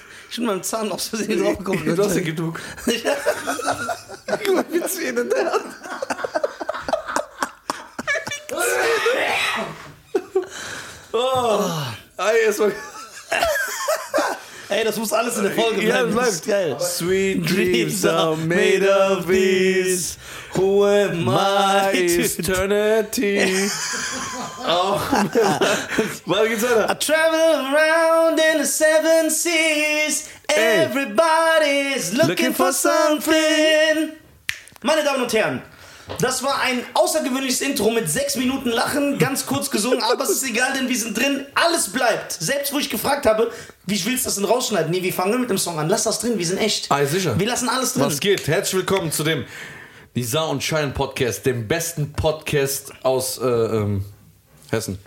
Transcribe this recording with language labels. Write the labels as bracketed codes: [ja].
[de] Ich bin meinem Zahn aus Versehen draufgekommen. Du hast ja genug. Guck mal, wie Zähne der hat. Ey, das muss alles in der Folge bleiben. Ja, das bleibt geil. [en] Sweet dreams are made of these. Who am I? Eternity. Oh, man. I travel around in the seven seas. Everybody's looking for something. [de] Meine Damen und Herren, das war ein außergewöhnliches Intro mit 6 Minuten Lachen, ganz kurz gesungen, aber es ist egal, denn wir sind drin, alles bleibt. Selbst wo ich gefragt habe, wie willst du das denn rausschneiden? Nee, wir fangen mit dem Song an, lass das drin, wir sind echt. Ah, sicher. Wir lassen alles drin. Was geht? Herzlich willkommen zu dem Nisa und Cheyenne Podcast, dem besten Podcast aus Hessen.